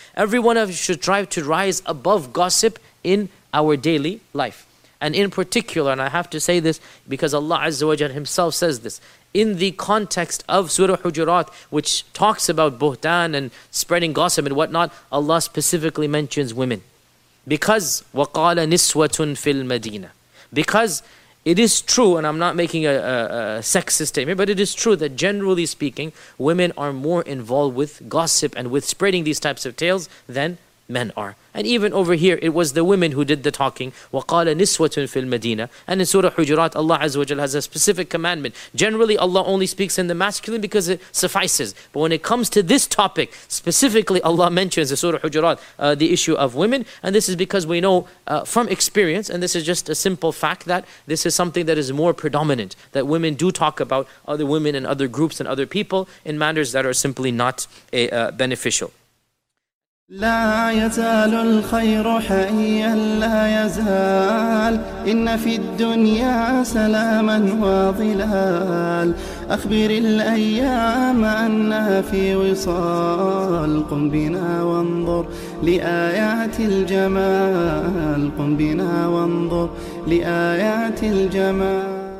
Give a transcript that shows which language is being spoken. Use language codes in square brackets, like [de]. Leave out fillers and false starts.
[en] Every one of us should strive to rise above gossip in our daily life. And in particular, and I have to say this because Allah Azza wa Jalla himself says this, in the context of Surah Hujurat, which talks about buhtan and spreading gossip and whatnot, Allah specifically mentions women. [ar] Because, وَقَالَ نِسْوَةٌ فِي الْمَدِينَةِ. [en] Because it is true, and I'm not making a sexist statement, but it is true that generally speaking, women are more involved with gossip and with spreading these types of tales than men are. And even over here, it was the women who did the talking. [ar] وَقَالَ نِسْوَةٌ فِي الْمَدِينَةِ. [en] And in Surah Hujurat, Allah Azza wa Jalla has a specific commandment. Generally, Allah only speaks in the masculine because it suffices. But when it comes to this topic, specifically Allah mentions in Surah Hujurat the issue of women. And this is because we know from experience, and this is just a simple fact, that this is something that is more predominant, that women do talk about other women and other groups and other people in matters that are simply not beneficial. [ar] لا يزال الخير حيا لا يزال إن في الدنيا سلاما وظلال أخبر الأيام أنها في وصال قم بنا وانظر لآيات الجمال قم بنا وانظر لآيات الجمال.